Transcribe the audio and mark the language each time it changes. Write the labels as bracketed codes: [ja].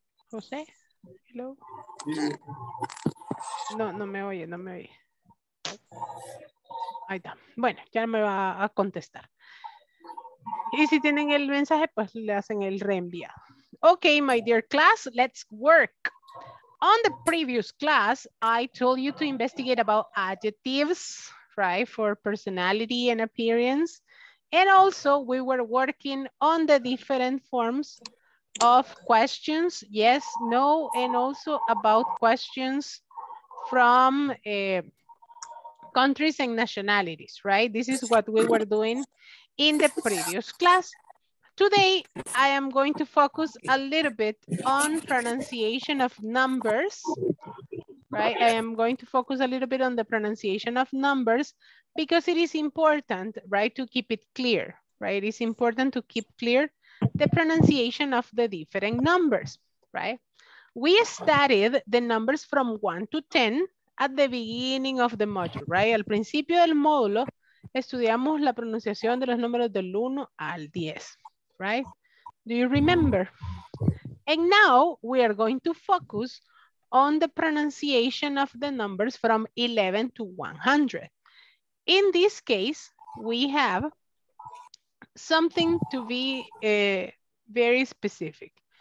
[en] José. Hello. [es] No me oye. Ahí está. Bueno, ya me va a contestar. Y si tienen el mensaje, pues le hacen el reenviado. [en] Ok, my dear class, let's work. on the previous class, I told you to investigate about adjectives, right, for personality and appearance. And also we were working on the different forms of questions, yes, no, and also about questions from countries and nationalities, right? This is what we were doing in the previous class. Today, I am going to focus a little bit on pronunciation of numbers, right? I am going to focus a little bit on the pronunciation of numbers because it is important, right, to keep it clear, right? It is important to keep clear the pronunciation of the different numbers, right? We studied the numbers from 1 to 10 at the beginning of the module, right? [es] Al principio del módulo, estudiamos la pronunciación de los números del 1 al 10. [en] Right? Do you remember? And now we are going to focus on the pronunciation of the numbers from 11 to 100. In this case, we have something to be very specific.